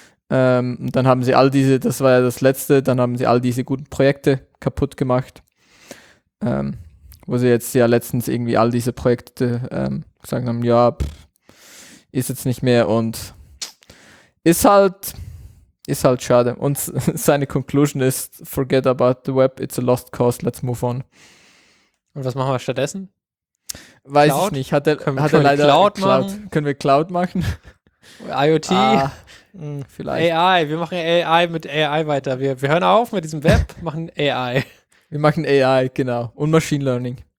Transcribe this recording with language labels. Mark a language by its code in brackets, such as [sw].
[de] Und dann haben sie all diese, das war ja das Letzte, dann haben sie all diese guten Projekte kaputt gemacht. Wo sie jetzt ja letztens irgendwie all diese Projekte gesagt haben, ja, ist jetzt nicht mehr und ist halt schade. Und seine Conclusion ist, [en] forget about the web, it's a lost cause, let's move on. [de] Und was machen wir stattdessen? Weiß Cloud? Ich nicht. Können wir Cloud machen? IoT? Vielleicht. AI, wir machen AI mit AI weiter. Wir hören auf mit diesem Web, machen AI. Wir machen AI, genau. Und Machine Learning.